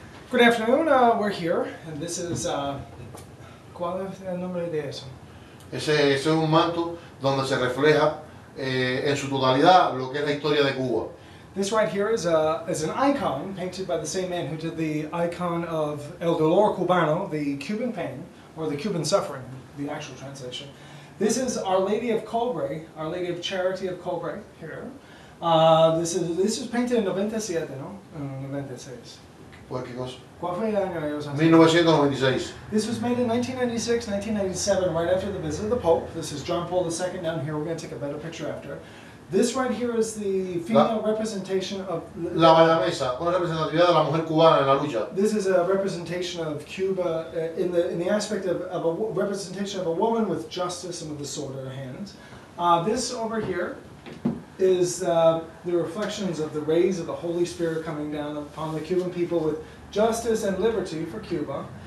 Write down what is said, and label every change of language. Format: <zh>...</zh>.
<en>Good afternoon, we're here, and this is,</en> <es>¿cuál es el nombre de eso? Ese es un manto donde se refleja en su totalidad lo que es la historia de Cuba.</es> <en>This right here is an icon painted by the same man who did the icon of El Dolor Cubano, the Cuban pain, or the Cuban suffering, the actual translation. This is Our Lady of Cobre, Our Lady of Charity of Cobre, here. This is painted in 97, no? 96.</en> <es>¿Cuál fue el año? 1996.</es> <en>This was made in 1996, 1997, right after the visit of the Pope. This is John Paul II down here. We're going to take a better picture after. This right here is the female representation of...</en> <es>La Bayamesa, una representatividad de la mujer cubana en la lucha.</es> <en>This is a representation of Cuba in the aspect of a representation of a woman with justice and with the sword in her hands. This over here is the reflections of the rays of the Holy Spirit coming down upon the Cuban people with justice and liberty for Cuba.</en>